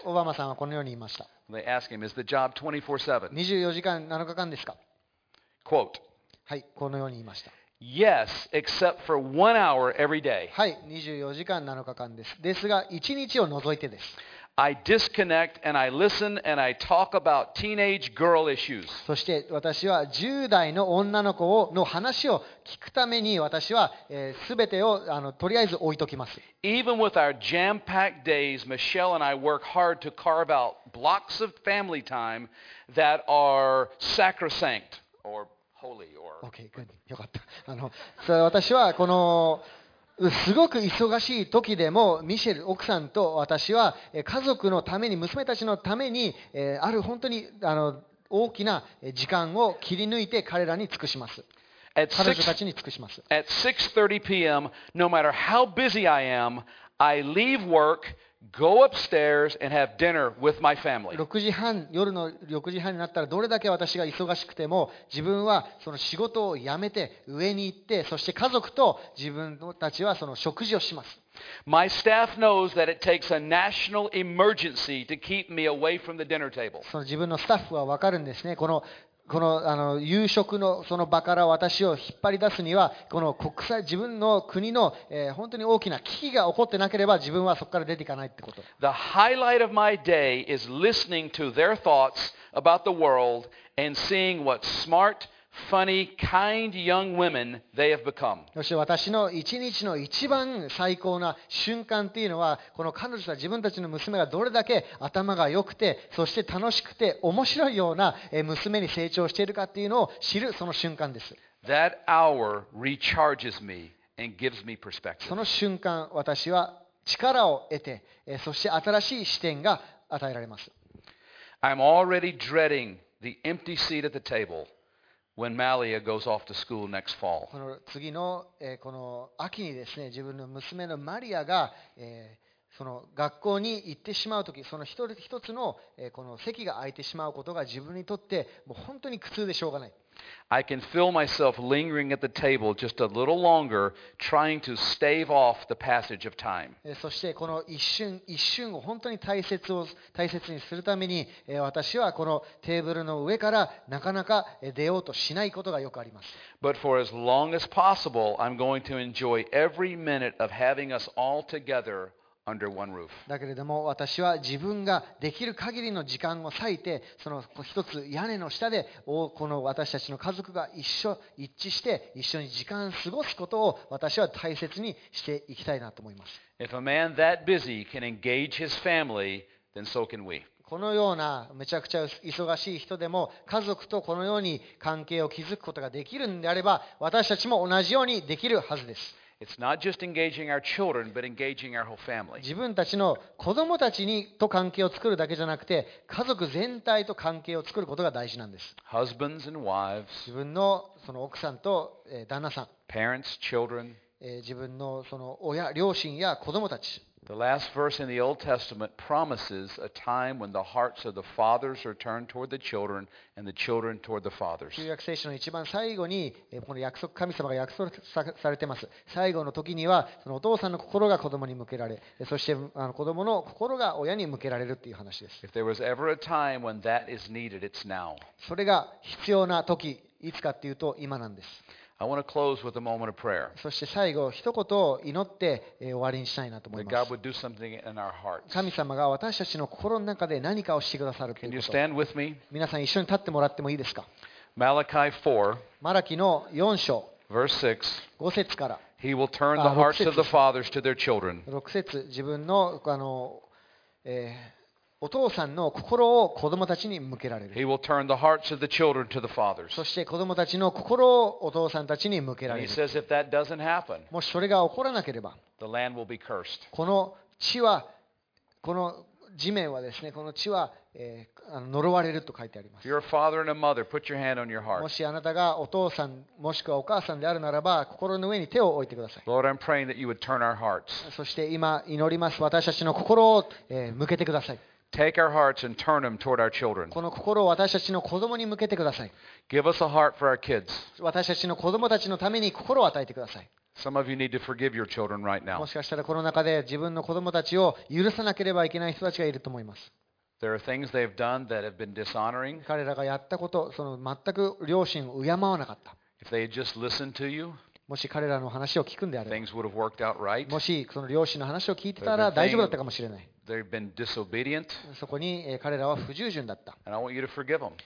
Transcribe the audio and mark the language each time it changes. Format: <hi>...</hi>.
<ja>オバマさんはこのように言いました。</ja> <en>They asked him, "Is the job 24/7?"</en> <ja>24時間7日間ですか。</ja> <en>Quote.</en> <ja>はい、このように言いました。</ja> <en>Yes, except for 1 hour every day.</en> <ja>はい、24時間7日間です。ですが、1日を除いてです。</ja> <en>I disconnect and I listen and I talk about teenage girl issues.</en> <ja>そして私は10代の女の子の話を聞くために私は全てをとりあえず置いときます。</ja> <en>Even with our jam-packed days, Michelle and I work hard to carve out blocks of family time that are sacrosanct or holy or... Okay, good.</en> <ja>よかった。それ私はこのすごく忙しい時でもミシェル奥さんと私は家族のために娘たちのためにある本当に大きな時間を切り抜いて彼らに尽くします。彼女たちに尽くします。</ja> <en>At 6:30pm, no matter how busy I am, I leave work, go upstairs and have dinner with my family.</en> <ja>6時半、夜の6時半になったらどれだけ私が忙しくても自分はその仕事を辞めて上に行って、そして家族と自分たちはその食事をします。</ja> <en>My staff knows that it takes a national emergency to keep me away from the dinner table.</en> <ja>その自分のスタッフは分かるんですね。この夕食のその場から私を引っ張り出すにはこの国際自分の国の本当に大きな危機が起こってなければ自分はそこから出ていかないってこと。</ja> <en>The highlight of my day is listening to their thoughts about the world and seeing what smart, funny, kind young women they have become.</en> <ja>そして私の一日の一番最高な瞬間っていうのはこの彼女は自分たちの娘がどれだけ頭が良くてそして楽しくて面白いような娘に成長しているかっていうのを知るその瞬間です。</ja> <en>That hour recharges me and gives me perspective.</en> <ja>その瞬間私は力を得てそして新しい視点が与えられます。</ja> <en>I'm already dreading the empty seat at the tableWhen Malia goes off to school next fall.</en> <ja>この次の、この秋にですね、自分の娘のマリアが、その学校に行ってしまうとき、その一つの、この席が空いてしまうことが自分にとってもう本当に苦痛でしょうがない。</ja> <en>I can feel myself lingering at the table just a little longer, trying to stave off the passage of time.</en> <ja>そしてこの一瞬一瞬を本当に大切にするために、私はこのテーブルの上からなかなか出ようとしないことがよくあります。</ja> <en>But for as long as possible, I'm going to enjoy every minute of having us all together. Under one roof.</en> <ja>だけれども私は自分ができる限りの時間を割いてその一つ屋根の下でこの私たちの家族が一致して一緒に時間を過ごすことを私は大切にしていきたいなと思います。</ja> <en>If a man that busy can engage his family, then so can we.</en> <ja>このようなめちゃくちゃ忙しい人でも家族とこのように関係を築くことができるんであれば私たちも同じようにできるはずです。</ja> <en>It's not just engaging our children, but engaging our whole family.</en> <ja>自分たちの子供たちにと関係を作るだけじゃなくて、家族全体と関係を作ることが大事なんです。</ja> <en>Husbands and wives.</en> <ja>自分のその奥さんと旦那さん。</ja> <en>Parents, children.</en> <ja>自分のその親、両親や子供たち。</ja> <en>The last verse in the Old Testament promises a time when the hearts of the fathers are turned toward the children and the children toward the fathers.</en> <ja>旧約聖書の一番最後にこの約束、神様が約束されています。最後の時にはそのお父さんの心が子供に向けられ、そして子供の心が親に向けられるという話です。</ja> <en>If there was ever a time when that is needed, it's now.</en> <ja>それが必要な時、いつかっていうと今なんです。</ja> <en>I want to close with a moment of prayer.</en> <ja>そして最後一言を祈って終わりにしたいなと思います。</ja> <en>That God would do something in our hearts.</en> <ja>神様が私たちの心の中で何かをしてくださるということ。</ja> <en>Can you stand with me?</en> <ja>皆さん一緒に立ってもらってもいいですか。</ja> <en>Malachi 4.</en> <ja>マラキの4章。</ja> <en>Verse</en> <ja>6. 5節から。</ja> <en>He will turn the hearts of the fathers to their children.</en> <ja>6節、自分のお父さんの心を子供たちに向けられる。</ja> <en>He will turn the hearts of the children to the fathers.</en> <ja>そして子供たちの心をお父さんたちに向けられる。</ja> <en>And he says if that doesn't happen,</en> <ja>もしそれが起こらなければ、</ja> <en>the land will be cursed.</en> <ja>この地は、この地面はですね、この地は、呪われると書いてあります。</ja> <en>If you're a father and a mother, put your hand on your heart.</en> <ja>もしあなたがお父さん、もしくはお母さんであるならば、心の上に手を置いてください。</ja> <en>Lord, I'm praying that you would turn our hearts.</en> <ja>そして今祈ります。私たちの心を、向けてください。</ja> <en>Take our hearts and turn them toward our children.</en> <ja>この心を私たちの子供に向けてください。</ja> <en>Give us a heart for our kids.</en> <ja>私たちの子供たちのために心を与えてください。</ja> <en>Some of you need to forgive your children right now.</en> <ja>もしかしたらこの中で自分の子供たちを許さなければいけない人たちがいると思います。</ja> <en>There are things they've done that have been dishonoring.</en> <ja>彼らがやったこと、その全く両親を敬わなかった。</ja> <en>If they had just listened to you.</en> <ja>もし彼らの話を聞くんであれば、</ja> <en>things would have worked out right.</en> <ja>もしその両親の話を聞いてたら大丈夫だったかもしれない。</ja> <en>They've been disobedient.</en> <ja>そこに彼らは不従順だった。</ja> <en>And I want you to forgive them.</en>